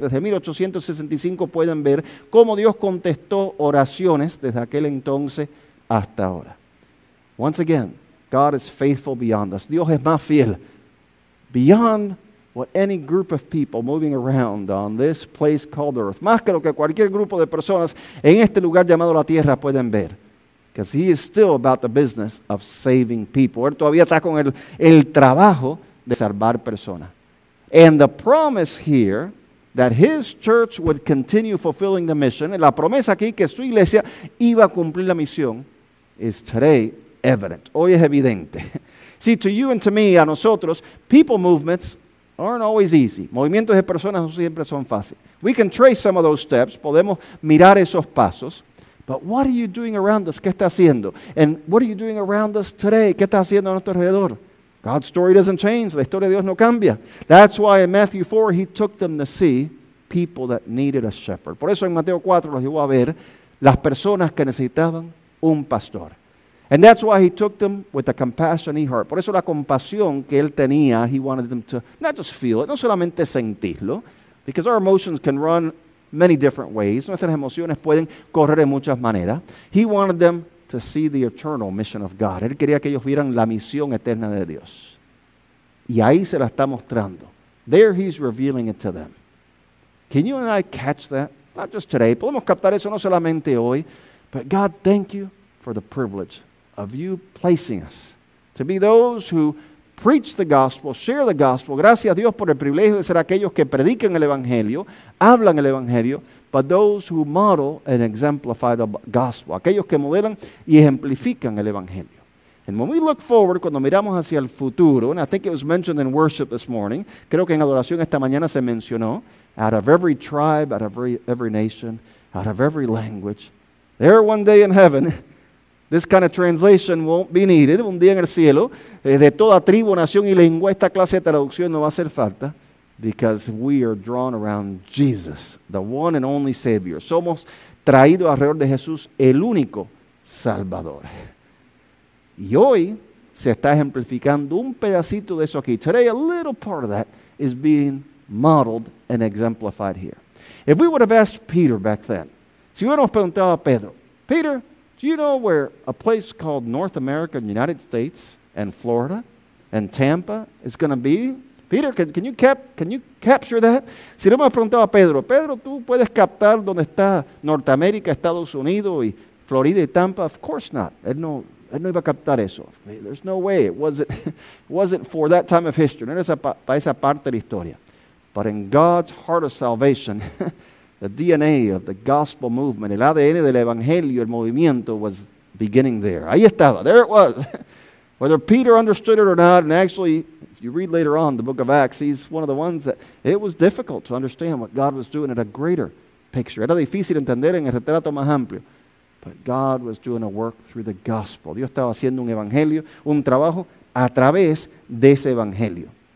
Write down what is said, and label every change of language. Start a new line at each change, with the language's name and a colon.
Spanish: Desde 1865 pueden ver cómo Dios contestó oraciones desde aquel entonces hasta ahora.
English: Once again, God is faithful beyond us.
Spanish: Dios es más fiel.
English: Beyond what any group of people moving around on this place called earth.
Spanish: Más que lo que cualquier grupo de personas en este lugar llamado la tierra pueden ver.
English: Because he is still about the business of saving people.
Spanish: Él todavía está con el trabajo de salvar personas.
English: And the promise here that his church would continue fulfilling the mission,
Spanish: la promesa aquí que su iglesia iba a cumplir la misión,
English: is today evident.
Spanish: Hoy es evidente.
English: See, to you and to me,
Spanish: a nosotros,
English: people movements aren't always easy.
Spanish: Movimientos de personas no siempre son fácil.
English: We can trace some of those steps. Podemos mirar esos pasos. But what are you doing around us?
Spanish: ¿Qué está haciendo?
English: And what are you doing around us today?
Spanish: ¿Qué está haciendo a nuestro alrededor?
English: God's story doesn't change.
Spanish: La historia de Dios no cambia.
English: That's why in Matthew 4, he took them to see people that needed a shepherd.
Spanish: Por eso en Mateo 4 los llevó a ver las personas que necesitaban un pastor.
English: And that's why he took them with the compassion he heard.
Spanish: Por eso la compasión que él tenía,
English: he wanted them to not just feel it,
Spanish: no solamente sentirlo,
English: because our emotions can run many different ways.
Spanish: Nuestras emociones pueden correr en muchas maneras.
English: He wanted them to see the eternal mission of God.
Spanish: Él quería que ellos vieran la misión eterna de Dios. Y ahí se la está mostrando.
English: There he's revealing it to them. Can you and I catch that? Not just today.
Spanish: Podemos captar eso no solamente hoy.
English: But God, thank you for the privilege of you placing us to be those who preach the gospel, share the gospel.
Spanish: Gracias a Dios por el privilegio de ser aquellos que predican el evangelio, hablan el evangelio,
English: but those who model and exemplify the gospel.
Spanish: Aquellos que modelan y ejemplifican el evangelio.
English: And when we look forward,
Spanish: cuando miramos hacia el futuro,
English: and I think it was mentioned in worship this morning,
Spanish: creo que en adoración esta mañana se mencionó,
English: out of every tribe, out of every nation, out of every language, there one day in heaven, this kind of translation won't be needed.
Spanish: Un día en el cielo, de toda tribu, nación y lengua, esta clase de traducción no va a hacer falta. Because we are drawn around Jesus, the one and only Savior. Somos traídos alrededor de Jesús, el único Salvador. Y hoy se está ejemplificando un pedacito de eso aquí.
English: Today, a little part of that is being modeled and exemplified here. If we would have asked Peter back then,
Spanish: si hubiéramos preguntado a Pedro,
English: Peter, do you know where a place called North America, and United States, and Florida, and Tampa is going to be? Peter, can you capture that?
Spanish: Si no me ha preguntado a Pedro, Pedro, ¿tú puedes captar dónde está Norteamérica, Estados Unidos, y Florida y Tampa?
English: Of course not.
Spanish: Él no iba a captar eso.
English: There's no way. It wasn't for that time of history.
Spanish: No era esa parte de la historia.
English: But in God's heart of salvation, the DNA of the gospel movement,
Spanish: el ADN del evangelio, el movimiento,
English: was beginning there.
Spanish: Ahí estaba.
English: There it was. Whether Peter understood it or not, and actually, if you read later on the book of Acts, he's one of the ones that it was difficult to understand what God was doing in a greater picture.
Spanish: Era difícil entender en el retrato más amplio.
English: But God was doing a work through the gospel.
Spanish: Dios estaba haciendo un evangelio, un trabajo a través de ese evangelio.